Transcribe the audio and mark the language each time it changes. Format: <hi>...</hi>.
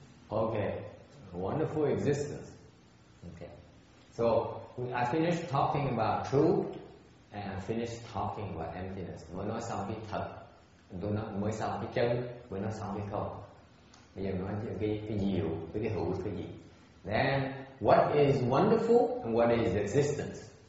<en>Okay, wonderful existence. Okay, so I finished talking about truth, and I finished talking about emptiness.</en> <vi>Mới nói xong cái thật, mới xong cái chân, mới nói xong cái không. Bây giờ nói chuyện cái nhiều, cái hữu, cái gì.</vi> <en>Then, what is wonderful and what is existence?</en>